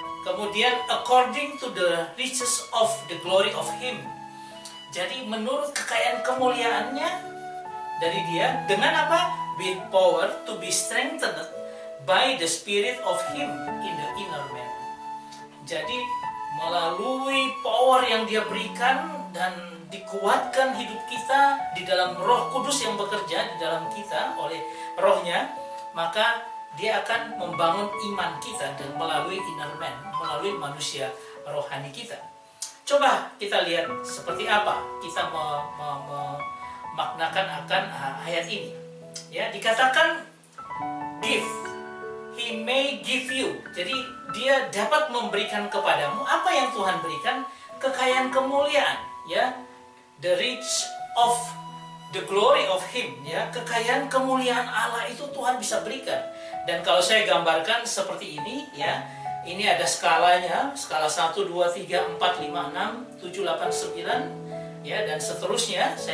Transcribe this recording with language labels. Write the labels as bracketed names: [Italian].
[English] Kemudian according to the riches of the glory of him. [Indonesian] Jadi menurut kekayaan kemuliaannya dari dia, dengan apa? [English] With power to be strengthened by the spirit of him in the inner man. [Indonesian] Jadi melalui power yang dia berikan dan dikuatkan hidup kita di dalam Roh Kudus yang bekerja di dalam kita oleh Roh-Nya, maka dia akan membangun iman kita dan melalui inner man, melalui manusia rohani kita. Coba kita lihat seperti apa kita memaknakan akan ayat ini. [English] Ya, dikatakan give, he may give you. [Indonesian] Jadi dia dapat memberikan kepadamu apa yang Tuhan berikan, kekayaan kemuliaan, ya. [English] The riches of the glory of him, [Indonesian] ya, kekayaan kemuliaan Allah itu Tuhan bisa berikan. Dan kalau saya gambarkan seperti ini, ya, ini ada skalanya, skala 1 2 3 4 5 6 7 8 9, ya, dan seterusnya.